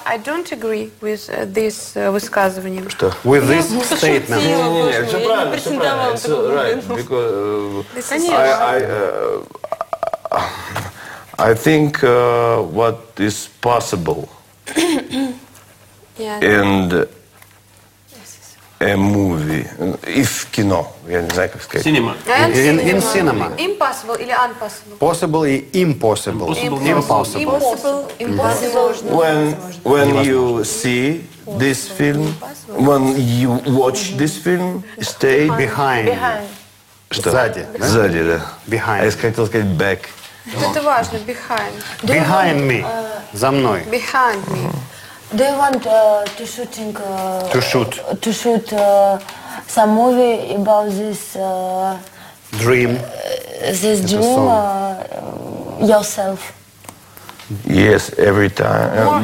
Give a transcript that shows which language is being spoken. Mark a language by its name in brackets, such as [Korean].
[English] I don't agree with this [Russian] высказыванием. Что? [English] With this statement. [Russian] Не, все правильно, все правильно. [English] I think what is possible and a movie, if [Russian] кино, я не знаю, как сказать. [English] Cinema. In cinema. Impossible [Russian] или [English] unpossible? Possible [Russian] и [English] impossible. Impossible. When you see this film, when you watch this film, stay behind. [Russian] Что? Сзади. Да? Сзади, да. [English] Behind. [Russian] Я хотел сказать [English] back. [Russian] Это важно, [English] behind. Behind me. [Russian] За мной. [English] Behind me. Do you want to shoot some movie about this dream? This dream yourself? Yes, every time.